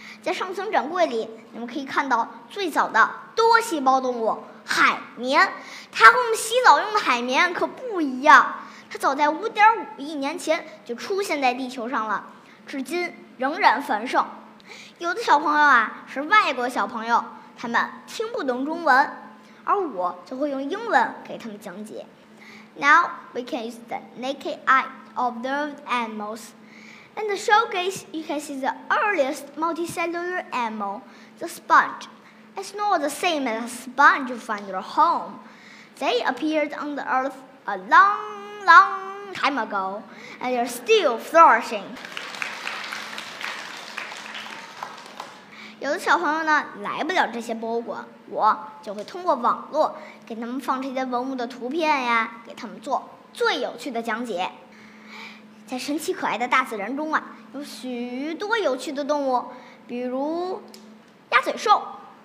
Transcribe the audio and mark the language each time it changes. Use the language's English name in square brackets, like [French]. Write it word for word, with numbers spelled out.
[Chinese] 在上层展柜里，你们可以看到最早的多细胞动物海绵，它和我们洗澡用的海绵可不一样。它早在五点五亿年前就出现在地球上了，至今仍然繁盛。有的小朋友啊是外国小朋友，他们听不懂中文，而我就会用英文给他们讲解。 [English] Now we can use the naked eye to observe animals. In the showcase, you can see the earliest multicellular animal, the sponge. It's not the same as a sponge you find in your home. They appeared on the earth a long, long time ago, and they're still flourishing. [Chinese] 有的小朋友呢来不了这些博物馆，我就会通过网络给他们放这些文物的图片呀，给他们做最有趣的讲解。在神奇可爱的大自然中啊，有许多有趣的动物，比如鸭嘴兽。